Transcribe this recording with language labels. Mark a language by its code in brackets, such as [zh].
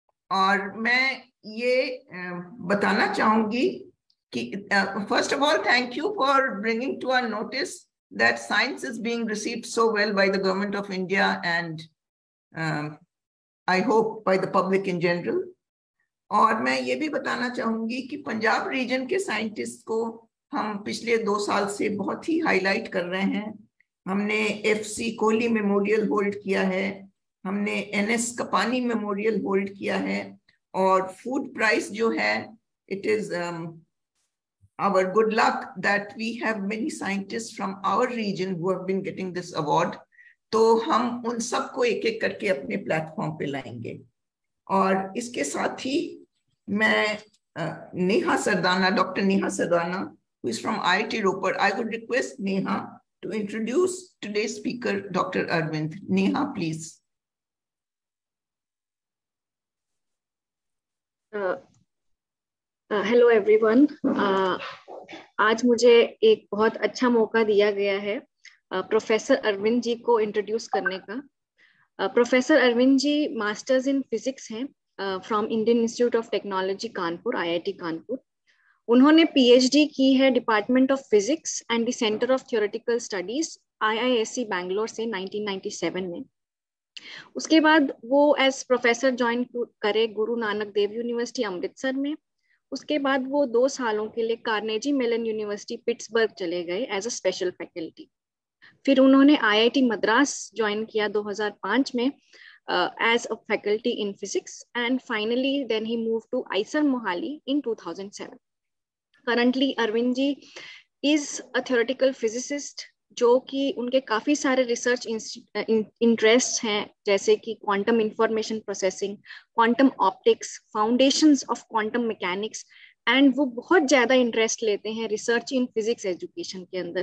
[hi] Aur main ye batana chahungi ki, [en] first of all, thank you for bringing to our notice that science is being received so well by the government of India and I hope by the public in general. [hi] Aur main ye bhi batana chahungi ki Punjab region ke scientists ko हम पिछले दो साल से बहुत ही highlight कर रहे हैं. हमने एफसी कोहली मेमोरियल होल्ड किया है, हमने एनएस कपानी मेमोरियल होल्ड किया है, और फूड प्राइस जो है, [en] It is our good luck that we have many scientist from our region who have been getting this award. [hi] तो हम उन सबको एक एक करके अपने प्लेटफॉर्म पे लाएंगे. और इसके साथ ही मैं Neha Sardana, [en] Doctor Neha Sardana, who is from IIT Ropar, I would request Neha to introduce today's speaker, Dr. Arvind. Neha, please. Hello, everyone. [hi] आज मुझे एक बहुत अच्छा मौका दिया गया है प्रोफेसर अरविंद जी को इंट्रोड्यूस करने का. Professor Arvind ji masters in physics हैं from Indian institute of technology Kanpur, IIT Kanpur. उन्होंने पीएचडी की है department of physics and the centre of theoretical studies IISc Bangalore से 1997 में. उसके बाद वो एज प्रोफेसर ज्वाइन करे गुरु नानक देव यूनिवर्सिटी अमृतसर में. उसके बाद वो दो सालों के लिए कार्नेजी मेलन यूनिवर्सिटी पिट्सबर्ग चले गए एज अ स्पेशल फैकल्टी. फिर उन्होंने IIT मद्रास ज्वाइन किया 2005 में [en] as a faculty in physics, and finally then he moved to ICER Mohali in 2007. Currently, Arvind ji is a theoretical physicist, [hi] जो कि उनके काफी सारे रिसर्च इंटरेस्ट हैं, जैसे कि quantum information processing, quantum optics, foundations of quantum mechanics, and वो बहुत ज्यादा इंटरेस्ट लेते हैं रिसर्च इन फिजिक्स एजुकेशन के अंदर.